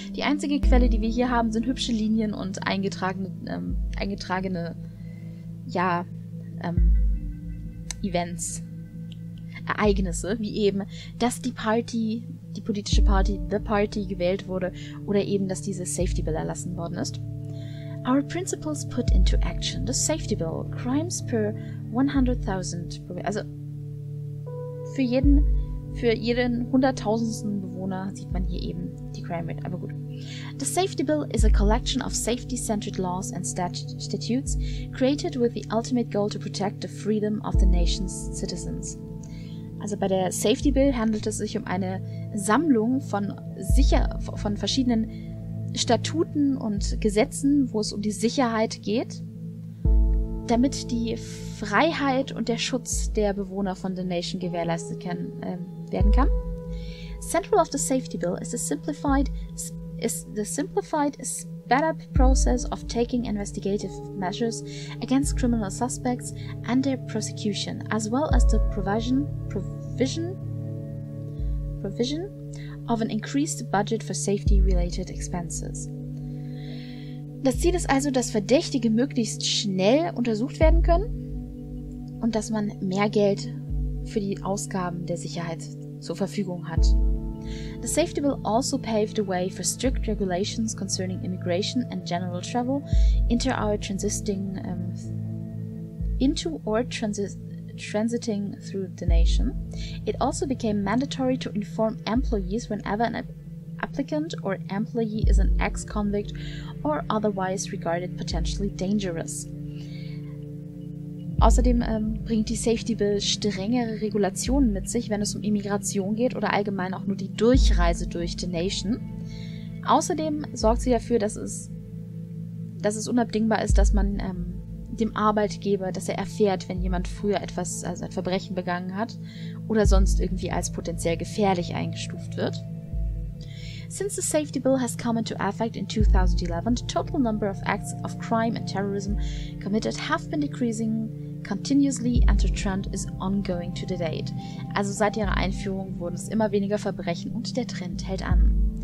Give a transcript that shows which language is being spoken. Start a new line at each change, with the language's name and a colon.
German: Die einzige Quelle, die wir hier haben, sind hübsche Linien und Ereignisse, wie eben, dass die politische Party, gewählt wurde, oder eben, dass diese Safety Bill erlassen worden ist.
English: Our principles put into action. The Safety Bill. Crimes per 100.000.
German: Also, für jeden Für jeden 100.000. Bewohner sieht man hier eben die Crime Rate, aber gut.
English: The Safety Bill is a collection of safety-centered laws and statutes created with the ultimate goal to protect the freedom of the nation's citizens.
German: Also bei der Safety Bill handelt es sich um eine Sammlung von verschiedenen Statuten und Gesetzen, wo es um die Sicherheit geht, damit die Freiheit und der Schutz der Bewohner von The Nation gewährleistet werden kann.
English: Central of the Safety Bill is the simplified, sped up process of taking investigative measures against criminal suspects and their prosecution, as well as the provision of an increased budget for safety related expenses.
German: Das Ziel ist also, dass Verdächtige möglichst schnell untersucht werden können und dass man mehr Geld für die Ausgaben der Sicherheit zur Verfügung hat.
English: The Safety Bill also paved the way for strict regulations concerning immigration and general travel into or transiting through the nation. It also became mandatory to inform employees whenever an applicant or employee is an ex-convict or otherwise regarded potentially dangerous.
German: Außerdem bringt die Safety Bill strengere Regulationen mit sich, wenn es um Immigration geht oder allgemein auch nur die Durchreise durch The Nation. Außerdem sorgt sie dafür, dass es unabdingbar ist, dass man dem Arbeitgeber, dass er erfährt, wenn jemand früher etwas, also ein Verbrechen begangen hat oder sonst irgendwie als potenziell gefährlich eingestuft wird.
English: Since the Safety Bill has come into effect in 2011, the total number of acts of crime and terrorism committed have been decreasing continuously and the trend is ongoing to date.
German: Also seit ihrer Einführung wurden es immer weniger Verbrechen und der Trend hält an.